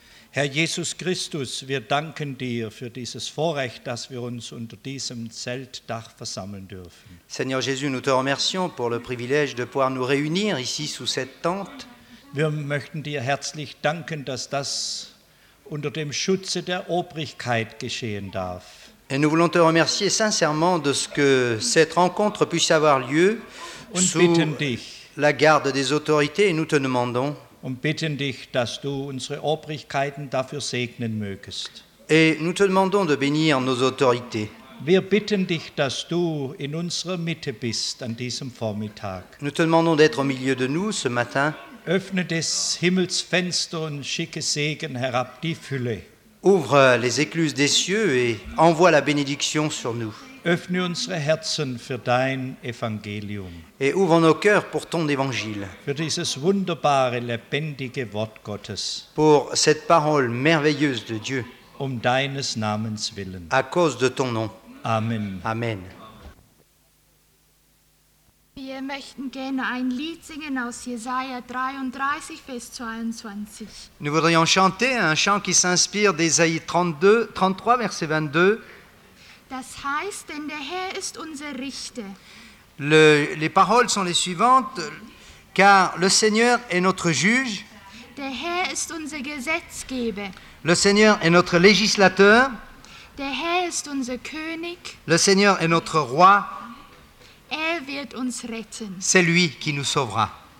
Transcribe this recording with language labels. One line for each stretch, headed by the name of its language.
German: Herr Jesus Christus, wir danken dir für dieses Vorrecht, dass wir uns unter diesem Zeltdach versammeln dürfen.
French: Seigneur Jésus, nous te remercions pour le privilège de pouvoir nous réunir ici sous cette tente.
German: Wir möchten dir herzlich danken, dass das unter dem Schutze der Obrigkeit geschehen darf.
French: Et nous voulons te remercier sincèrement de ce que cette rencontre puisse avoir lieu
German: und
French: sous
German: bitten dich,
French: la garde des autorités, et nous te demandons
German: und bitten dich, dass du unsere Obrigkeiten dafür segnen mögest.
French: Et nous te demandons de bénir nos autorités.
German: Wir bitten dich, dass du in unserer Mitte bist an diesem Vormittag.
French: Nous te demandons d'être au milieu de nous ce matin.
German: Öffne des Himmels Fenster und schicke Segen herab, die Fülle.
French: Ouvre les écluses des cieux et envoie la bénédiction sur nous.
German: Öffne unsere Herzen für dein Evangelium.
French: Et ouvre nos cœurs pour ton évangile.
German: Für dieses wunderbare, lebendige Wort Gottes.
French: Pour cette parole merveilleuse de Dieu.
German: Um deines Namens willen.
French: À cause de ton nom.
German: Amen.
French: Amen.
German: Wir möchten gerne ein Lied singen aus Jesaja 33, Vers 22.
French: Nous voudrions chanter un chant qui s'inspire d'Ésaïe 33, Vers 22.
German: Das heißt, denn der Herr ist unser Richter.
French: Les paroles sont les suivantes, car le Seigneur est notre juge.
German: Der Herr ist unser Gesetzgeber.
French: Le Seigneur est notre législateur.
German: Der Herr ist unser König.
French: Le Seigneur est notre roi.
German: Er wird uns retten.
French: C'est lui qui nous sauvera.